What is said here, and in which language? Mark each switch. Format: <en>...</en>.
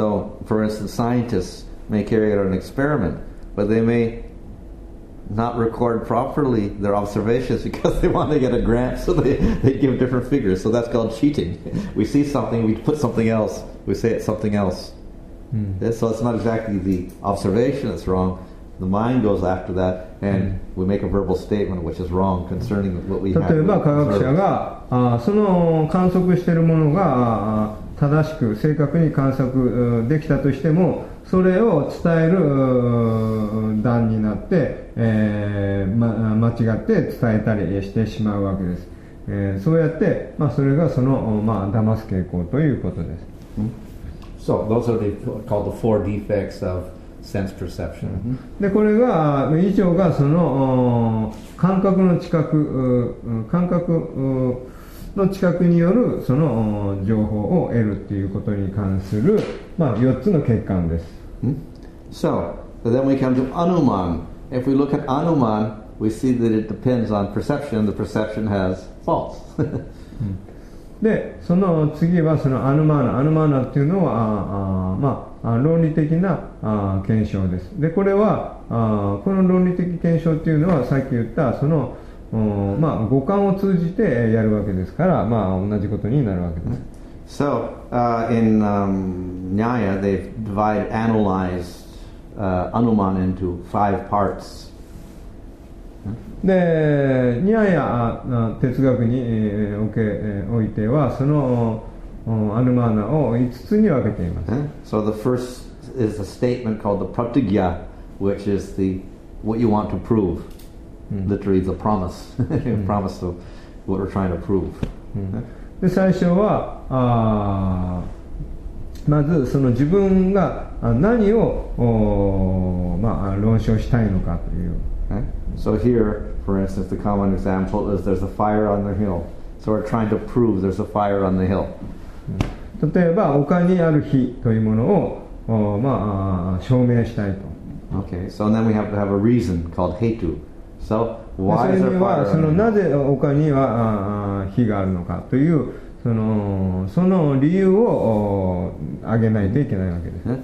<en>So, for instance, scientists may carry out an experiment, but they may not record properly their observations because they want to get a grant, so they give different figures. So that's called cheating. We see something, we put something else, we say it's something else. So it's not exactly the observation that's wrong. The mind goes after that, and we make a verbal statement which is wrong concerning what we have.</en> <ja>例えば科学者が、その観測しているものが、正しく正確に観測できたとしても、それを伝える段になって、間違って伝えたりしてしまうわけです。そうやって、まあ、それがその、まあ、騙す傾向ということです。</ja> <en>So, those are called the four defects of sense perception.</en> <ja>で、これが、以上がその感覚の知覚、感覚の知覚によるその情報を得るということに関する、まあ、4つの欠陥です。</ja> <en>So, then we come to Anuman. If we look at Anuman, we see that it depends on perception. The perception has faults.</en> <ja>で、その次はそのアヌマーナ。アヌマーナっていうのは、まあ、論理的な検証です。で、これは、この論理的検証っていうのは、さっき言ったそのまあ、五感を通じてやるわけですから、まあ、同じことになるわけです。</ja> <en>So, in Nyaya, they've divided, analyzed Anuman into five parts.</en> <ja>で、Nyaya哲学においては、そのAnumanaを5つに分けています。</ja> <en>So, the first is a statement called the Pratigya, which is the what you want to prove.Literally the promise, promise of what we're trying to prove.</en> <ja>で最初はまずその自分が何を、まあ、論証したいのかという、</ja> <en>So here, for instance, the common example is there's a fire on the hill. So we're trying to prove there's a fire on the hill.</en> <ja>例えば丘にある火というものを、まあ、証明したいと。</ja> <en>Okay, so then we have to have a reason called hetu. So why is there fire?</en> <ja>そのなぜ丘には火があるのかというその理由を挙げないといけないわけです。</ja>